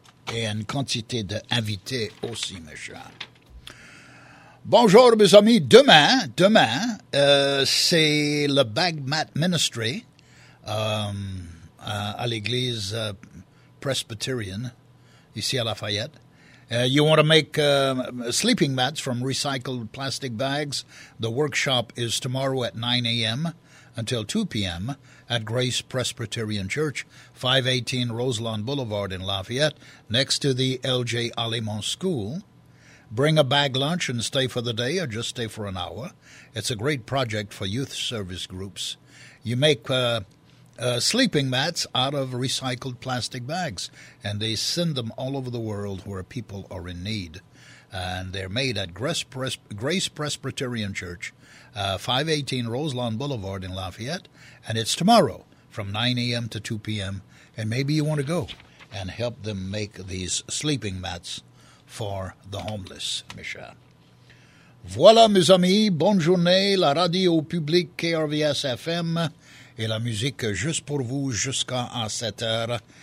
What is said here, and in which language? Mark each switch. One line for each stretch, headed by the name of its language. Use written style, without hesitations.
French: Et une quantité d'invités aussi, mes chers. Bonjour, mes amis. Demain, c'est le Bagmat Ministry à l'église Presbyterian, ici à Lafayette.
English: You want to make sleeping mats from recycled plastic bags? The workshop is tomorrow at 9 a.m. until 2 p.m. at Grace Presbyterian Church, 518 Roselawn Boulevard in Lafayette, next to the L.J. Alimont School. Bring a bag lunch and stay for the day or just stay for an hour. It's a great project for youth service groups. You make sleeping mats out of recycled plastic bags, and they send them all over the world where people are in need. And they're made at Grace Presbyterian Church, 518 Roselawn Boulevard in Lafayette. And it's tomorrow from 9 a.m. to 2 p.m. And maybe you want to go and help them make these sleeping mats for the homeless, Misha.
French: Voilà, mes amis. Bonne journée. La radio publique KRVS FM et la musique juste pour vous jusqu'à 7 heures.